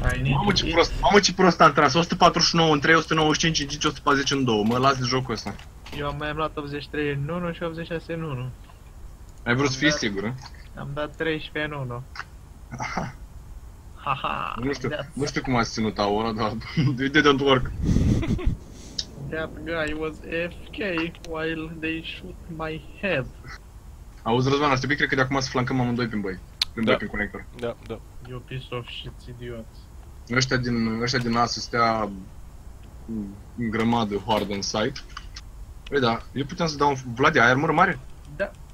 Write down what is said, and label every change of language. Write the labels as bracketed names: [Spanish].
[Romanian] Mamă ce prost, mamă ce prost am tras, 149 în 3, 195 în 5, 140 în 2, mă las de jocul ăsta. Eu am mai luat 83 în 1 și 86 în 1. Ai vrut să fii sigur, hă? Am dat 13 în 1. Aha. Nu știu, nu știu cum ați ținut aura, dar [English] it didn't work. That guy was FK while they shoot my head. [Romanian] Auzi, Răzvan, ar trebui, cred că de acum să flancăm amândoi prin băi. Prin băi, prin conector. Da, da. [English] You piece of shit, idiot. [Romanian] Ăștia din ASUS stea în grămadă [English] hard on site. [Romanian] Păi da, eu puteam să dau un... Vladi, ai armură mare? Da.